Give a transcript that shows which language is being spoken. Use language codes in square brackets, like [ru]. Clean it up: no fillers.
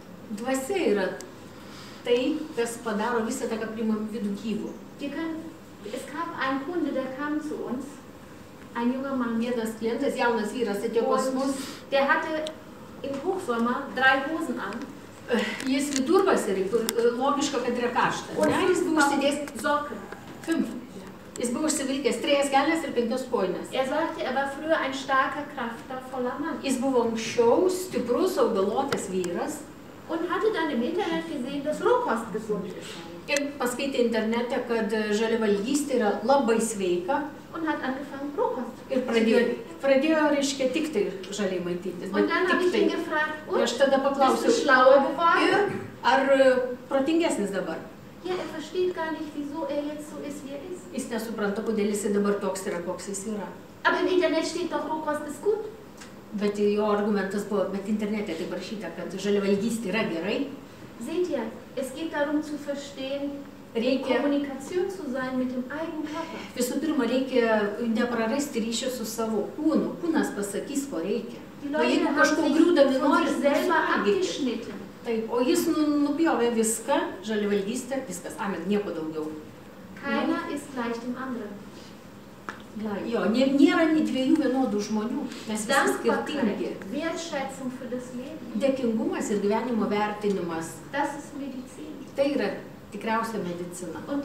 [lt] Dvasia yra tai, kas padaro visą tą, ką priimam vidų gyvų. [de] Es kam ein Kunde, der kam zu uns. Ein junger Mann. [lt] Vienas klientas, jaunas vyras, atėjo pas mus. [de] Der hatte im Hochsommer drei Hosen an. [lt] Jis vidurvasarį, logiška, kad yra karšta. [de] Und [lt] jis buvo užsidėjęs [de] Socken. Fünf. [lt] Jis buvo užsivilkęs trejas kelnes ir penkios kojines. [de] Sagte, er war früher ein starker, kraftvoller Mann. [lt] Jis buvo anksčiau stiprus, augalotas vyras. [de] Und hatte dann im Internet gesehen, dass Rohkost gesund ist. [lt] Ir paskaitė internete, kad žaliavalgystė yra labai sveika. [de] Und hat angefangen Rohkost. [lt] Ir pradėjo reiškia tik tai žaliai maitintis. [de] Und dann habe ich ihn gefragt, und [lt] aš tada paklausiu, [de] bist du schlauer geworden? [lt] Ir ar protingesnis dabar? [de] Ja, er versteht gar nicht, wieso er jetzt so ist, wie er ist. [lt] Jis nesupranta, kodėl jis dabar toks yra, koks jis yra. [de] Aber im Internet steht doch Rohkost ist gut. [lt] Bet jo argumentas buvo, bet internete taip rašyta, kad žaliavalgystė yra gerai. [de] Seht ihr, es geht darum zu verstehen, [lt] reikia [de] Kommunikation zu sein mit dem eigenen Körper. [lt] Visų pirma, reikia neprarasti ryšio su savo kūnu. Kūnas pasakys, ko reikia. O jeigu kažko griūdami nori, suvalgyti. Taip, o jis nupjovė viską, žaliavalgystė, viskas, amen, nieko daugiau. [de] Keiner ist gleich dem anderen. [lt] Jo, nėra nei dviejų vienodų žmonių, mes visi skirtingi. Dėkingumas ir gyvenimo vertinimas. Tai yra tikriausia medicina.